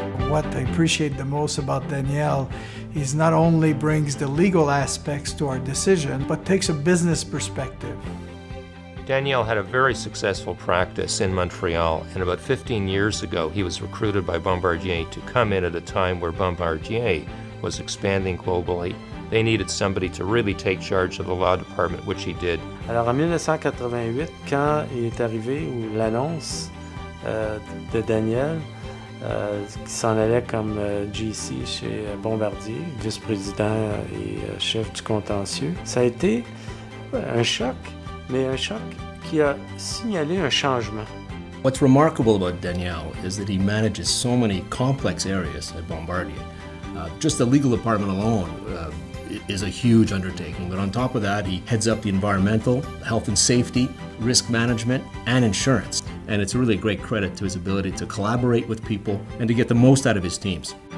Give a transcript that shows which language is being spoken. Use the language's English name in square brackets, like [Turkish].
[English] What I appreciate the most about Danielle is not only brings the legal aspects to our decision, but takes a business perspective. Danielle had a very successful practice in Montreal, and about 15 years ago, he was recruited by Bombardier to come in at a time where Bombardier was expanding globally. They needed somebody to really take charge of the law department, which he did. [French] Alors, en 1988, quand il est arrivé ou l'annonce de Danielle, qui s'en allait comme GC chez Bombardier, vice-président et chef du contentieux, ça a été un choc, mais un choc qui a signalé un changement. [English] What's remarkable about Danielle is that he manages so many complex areas at Bombardier. Just the legal department alone is a huge undertaking, but on top of that, he heads up the environmental, health and safety, risk management, and insurance. And it's really a great credit to his ability to collaborate with people and to get the most out of his teams.